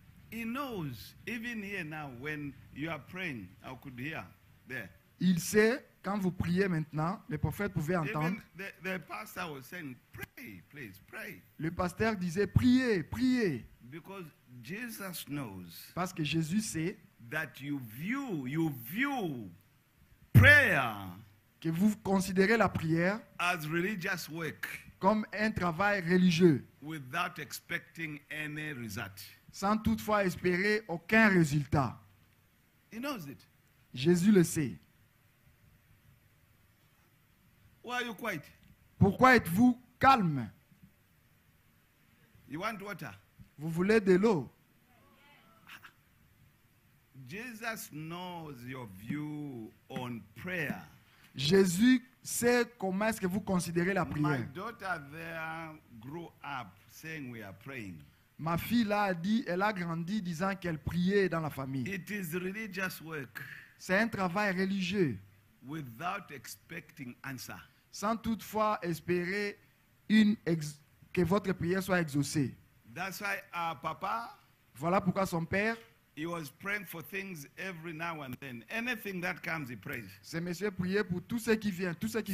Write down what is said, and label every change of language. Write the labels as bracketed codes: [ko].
[en] He knows, even here now, when you are praying, I could hear there. [fr] Il sait, quand vous priez maintenant, les prophètes pouvaient entendre. [en] The pastor was saying, pray, please, pray. [fr] Le pasteur disait, priez, priez. [en] Because Jesus knows [fr] parce que Jésus sait [en] that you view prayer [fr] que vous considérez la prière [en] as religious work [fr] comme un travail religieux [en] without expecting any result. [fr] Sans toutefois espérer aucun résultat. [en] He knows it. [fr] Jésus le sait. [en] Why are you quiet? [fr] Pourquoi êtes-vous calme? [en] You want water? [fr] Vous voulez de l'eau? [en] Jesus knows your view on prayer. [fr] Jésus sait comment est-ce que vous considérez la prière. [en] My daughter there grew up saying we are praying. [fr] Ma fille là a dit, elle a grandi disant qu'elle priait dans la famille. [en] It is religious work. [fr] C'est un travail religieux. [en] Without expecting answer. [fr] sans toutefois espérer une que votre prière soit exaucée. [en] That's why our papa, [fr] voilà pourquoi son père, [en] he was praying for things every now and then. Anything that comes, he prays. [fr] Ce monsieur priait pour tout ce qui vient, tout ce qui